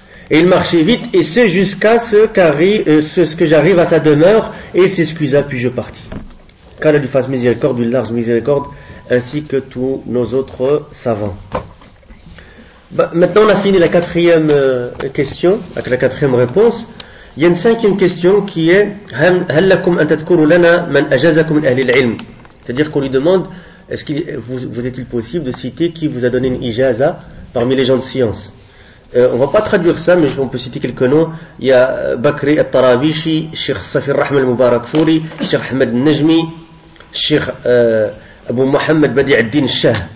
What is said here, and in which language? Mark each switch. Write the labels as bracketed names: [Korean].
[French] Et il marchait vite, et ce jusqu'à ce que j'arrive à sa demeure, et il s'excusa, puis je partis. Qu'Allah lui fasse miséricorde, une large miséricorde, ainsi que tous nos autres savants. Maintenant, on a fini la quatrième question, avec la quatrième réponse. Il y a une cinquième question qui est [Arabic] « هل لكم أن تذكروا لنا من أجازكم من أهل العلم ?» [French] C'est-à-dire qu'on lui demande « Est-ce qu'il vous est-il possible de citer qui vous a donné une ijaza parmi les gens de science ?» On ne va pas traduire ça, mais on peut citer quelques noms. Il y a Bakri al-Tarabishi, Cheikh Safir Rahman al-Mubarakfouri, Cheikh Ahmed al-Najmi, Cheikh Abu Mohamed Badi al-Din Shah.